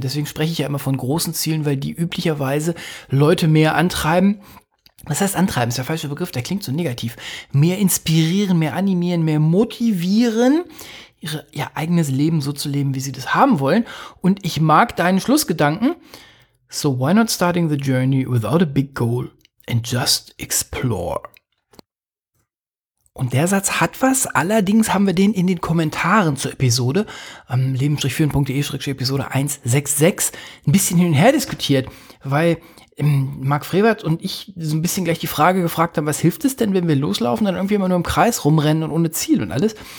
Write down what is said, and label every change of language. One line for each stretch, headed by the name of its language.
German: Deswegen spreche ich ja immer von großen Zielen, weil die üblicherweise Leute mehr antreiben. Was heißt antreiben? Ist der falsche Begriff, der klingt so negativ. Mehr inspirieren, mehr animieren, mehr motivieren, ihr eigenes Leben so zu leben, wie sie das haben wollen. Und ich mag deinen Schlussgedanken.
English: So why not starting the journey without a big goal and just explore?
German: Und der Satz hat was, allerdings haben wir den in den Kommentaren zur Episode leben-führen.de-episode 166 ein bisschen hin und her diskutiert, weil Mark Frevert und ich so ein bisschen gleich die Frage gefragt haben, was hilft es denn, wenn wir loslaufen, dann irgendwie immer nur im Kreis rumrennen und ohne Ziel und alles.